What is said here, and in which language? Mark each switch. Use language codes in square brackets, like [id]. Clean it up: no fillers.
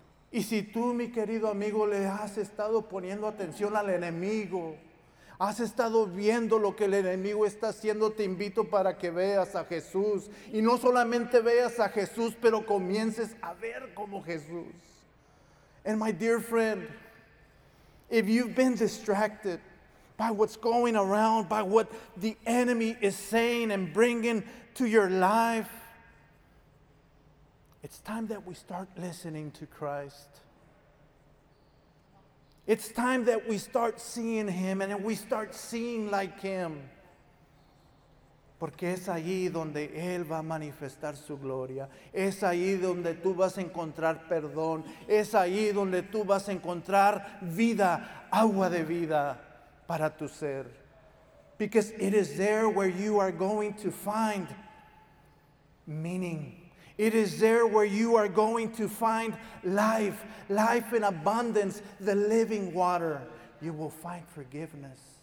[es] Y si tú, mi querido amigo, le has estado poniendo atención al enemigo, has estado viendo lo que el enemigo está haciendo, te invito para que veas a Jesús. Y no solamente veas a Jesús, pero comiences a ver como Jesús. [en] And my dear friend, if you've been distracted by what's going around, by what the enemy is saying and bringing to your life, it's time that we start listening to Christ. It's time that we start seeing Him and we start seeing like Him. [es] Porque es ahí donde Él va a manifestar su gloria. Es ahí donde tú vas a encontrar perdón. Es ahí donde tú vas a encontrar vida, agua de vida para tu ser. [en] Because it is there where you are going to find meaning. It is there where you are going to find life, life in abundance, the living water. You will find forgiveness.